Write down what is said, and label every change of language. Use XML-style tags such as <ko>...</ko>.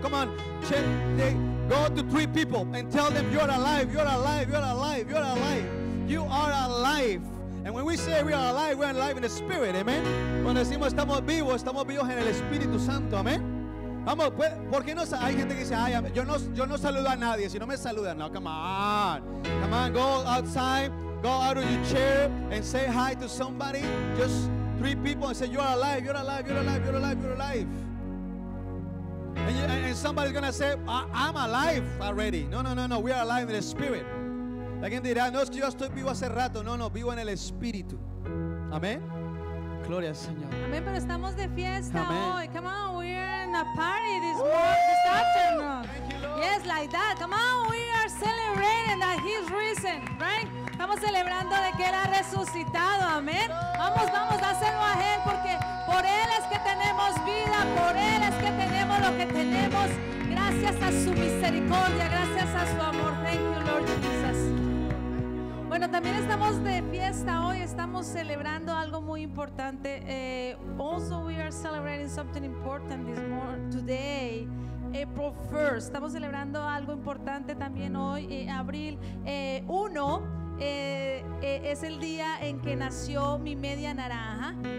<en>Come on, go to 3 people and tell them you're alive, you're alive, you're alive, you're alive, you are alive. And when we say we are alive, we are alive in the spirit, amen.</en> <es>Cuando decimos estamos vivos en el Espíritu Santo, amen. Vamos, pues, ¿por qué no? Hay gente que dice, ay, yo no saludo a nadie, si no me saludan.</es> <en>No, come on, come on, go outside, go out of your chair and say hi to somebody. Just 3 people and say, you're alive, you're alive, you're alive, you're alive, you're alive. And somebody's going to say, I'm alive already. No, no, no, no, we are alive in the spirit.</en> <es>Alguien dirá, no, es que yo estoy vivo hace rato. No, no, vivo en el espíritu. Amén. Gloria al Señor. Amén, pero estamos de fiesta hoy.</es> <en>Come on, we're in a party this morning, this afternoon. Thank you, Lord. Yes, like that. Come on, we are celebrating that he's risen, right?</en> <es>Estamos celebrando de que él ha resucitado, amén. Vamos, vamos, dáselo a él, porque por él es que tenemos vida, por él es que tenemos lo que tenemos, gracias a su misericordia, gracias a su amor.</es> <en>Thank you, Lord Jesus.</en> <es>Bueno, también estamos de fiesta hoy, estamos celebrando algo muy importante.</es> <en>Also, we are celebrating something important this morning, today.</en> <es>April 1st, estamos celebrando algo importante también hoy, abril 1. Es el día en que nació mi media naranja.</es>